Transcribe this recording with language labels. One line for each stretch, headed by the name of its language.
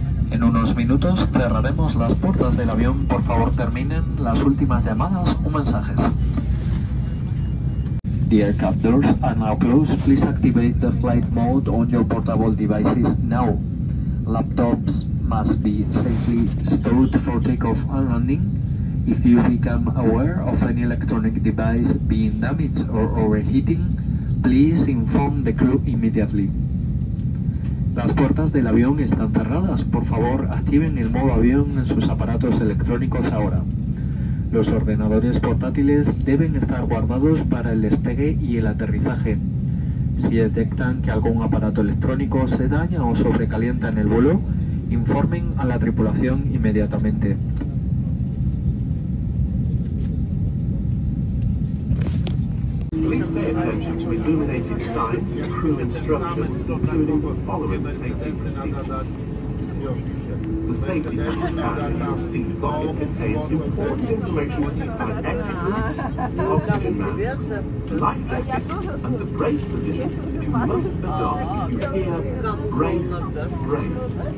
Spanish: En unos minutos cerraremos las puertas del avión. Por favor, terminen las últimas llamadas o mensajes.
English: The aircraft doors are now closed. Please activate the flight mode on your portable devices now. Laptops must be safely stowed for takeoff and landing. If you become aware of any electronic device being damaged or overheating, please inform the crew immediately.
Spanish: Las puertas del avión están cerradas. Por favor, activen el modo avión en sus aparatos electrónicos ahora. Los ordenadores portátiles deben estar guardados para el despegue y el aterrizaje. Si detectan que algún aparato electrónico se daña o sobrecalienta en el vuelo, informen a la tripulación inmediatamente.
English: Please pay attention to illuminated signs and crew instructions, including the following safety procedures. The safety pad in your seat pocket contains important information on exit routes, oxygen masks, life jackets, and the brace position that you must adopt if you hear brace, brace.